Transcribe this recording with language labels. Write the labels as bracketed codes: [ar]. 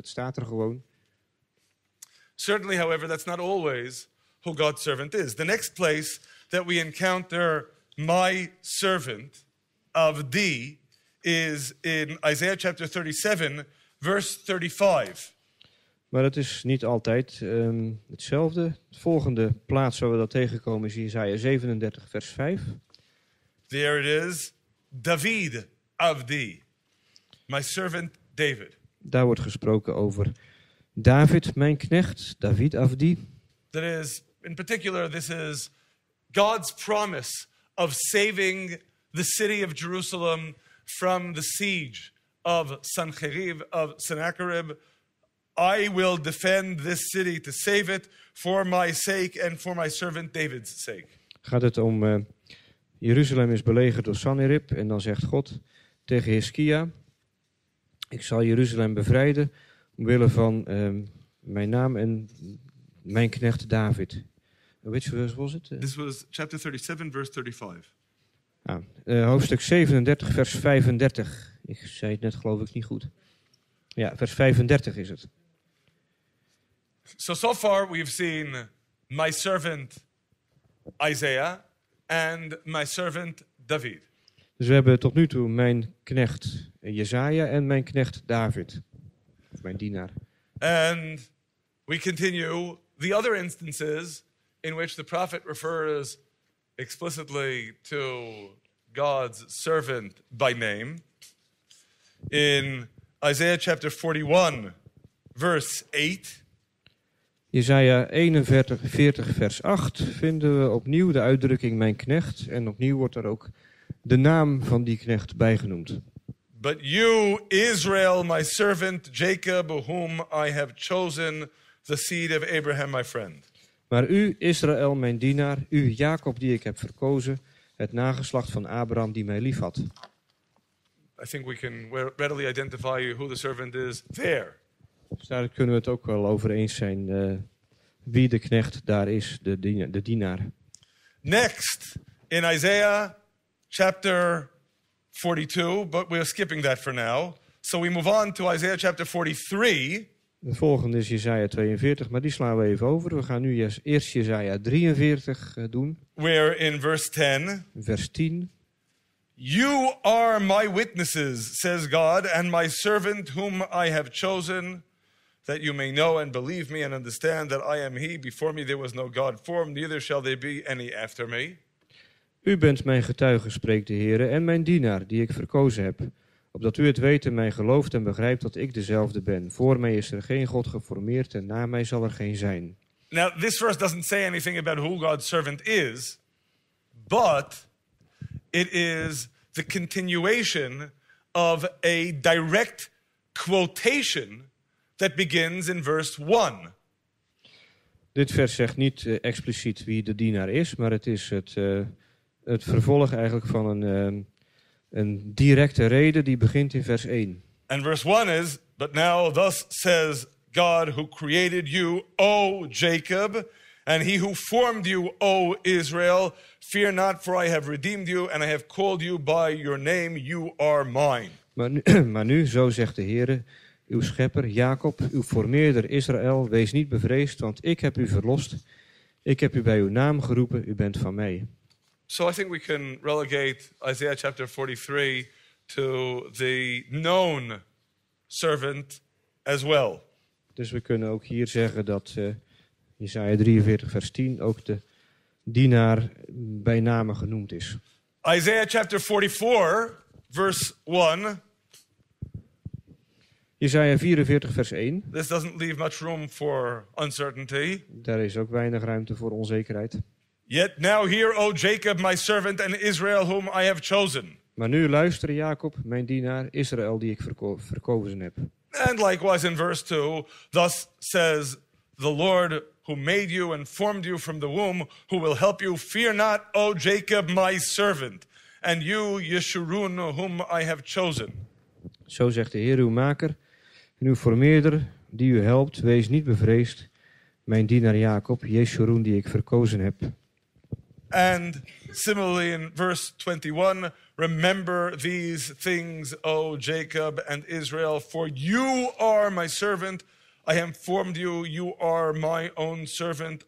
[nl] Dat staat er gewoon. [en] Certainly, however, that's not always who God's servant is. The next place that we encounter my servant of thee is in Isaiah chapter 37, verse 35. [nl] Maar het is niet altijd hetzelfde. De volgende plaats waar we dat tegenkomen is Isaiah 37, vers 5. [en] There it is. David of thee, my servant David. [nl] Daar wordt gesproken over David, mijn knecht, David of thee. [en] That is, in particular, this is God's promise of saving the city of Jerusalem from the siege of Sancheriv, of Sennacherib. I will defend this city to save it for my sake and for my servant David's sake. [nl] Gaat het om Jeruzalem is belegerd door Sanherib en dan zegt God tegen Hiskia, ik zal Jeruzalem bevrijden omwille van mijn naam en mijn knecht David. [en] Which verse was it? This was chapter 37, verse 35. [nl] Hoofdstuk 37, vers 35. Ik zei het net geloof ik niet goed. Ja, vers 35 is het. [en] So far we've seen my servant Isaiah and my servant David. [nl] Dus we hebben tot nu toe mijn knecht Jesaja en mijn knecht David, of mijn dienaar. [en] And we continue the other instances in which the prophet refers explicitly to God's servant by name. In Isaiah chapter 41, verse 8. [nl] Jesaja 41, vers 8 vinden we opnieuw de uitdrukking mijn knecht. En opnieuw wordt er ook de naam van die knecht bijgenoemd. [en] But you, Israel, my servant Jacob, whom I have chosen, the seed of Abraham, my friend. [nl] Maar u, Israël, mijn dienaar, u, Jacob, die ik heb verkozen, het nageslacht van Abraham, die mij lief had. [en] I think we can readily identify who the servant is there. [nl] Dus daar kunnen we het ook wel over eens zijn wie de knecht daar is, de dienaar. [en] Next, in Isaiah chapter 42, but we are skipping that for now. So we move on to Isaiah chapter 43. [nl] De volgende is Jesaja 42, maar die slaan we even over. We gaan nu eerst Jesaja 43 doen. [en] Where in verse 10. [nl] Vers 10. [en] You are my witnesses, says God, and my servant whom I have chosen, that you may know and believe me and understand that I am he. Before me there was no God formed, neither shall there be any after me. [nl] U bent mijn getuige, spreekt de Heere, en mijn dienaar, die ik verkozen heb. Opdat u het weet en mij gelooft en begrijpt dat ik dezelfde ben. Voor mij is er geen God geformeerd en na mij zal er geen zijn. [en] Now, this verse doesn't say anything about who God's servant is, but it is the continuation of a direct quotation that begins in verse 1. [nl] Dit vers zegt niet expliciet wie de dienaar is, maar het is het vervolg eigenlijk van een directe reden die begint in vers 1. [en] And verse 1 is, but now thus says God who created you, O Jacob, and he who formed you, O Israel, fear not, for I have redeemed you, and I have called you by your name, you are mine. [nl] Maar nu, zo zegt de Heere, uw schepper Jacob, uw formeerder Israël, wees niet bevreesd, want ik heb u verlost. Ik heb u bij uw naam geroepen, u bent van mij. [en] So I think we can relegate Isaiah chapter 43 to the known servant as well. [nl] Dus we kunnen ook hier zeggen dat Jesaja 43 vers 10 ook de dienaar bij name genoemd is. [en] Isaiah chapter 44 verse 1. [nl] Jesaja 44 vers 1. [en] This doesn't leave much room for uncertainty. [nl] Daar is ook weinig ruimte voor onzekerheid. [en] Yet now hear, O Jacob, my servant, and Israel, whom I have chosen. [nl] Maar nu luister, Jacob, mijn dienaar, Israël, die ik verkozen heb. [en] And likewise in verse 2, thus says the Lord who made you and formed you from the womb, who will help you, fear not, O Jacob, my servant, and you, Yeshurun, whom I have chosen. [nl] Zo zegt de Heer, uw maker, en uw formeerder, die u helpt, wees niet bevreesd, mijn dienaar Jacob, Yeshurun, die ik verkozen heb. [en] And similarly in verse 21, remember these things, O Jacob and Israel, for you are my servant. I have formed you, you are my own servant.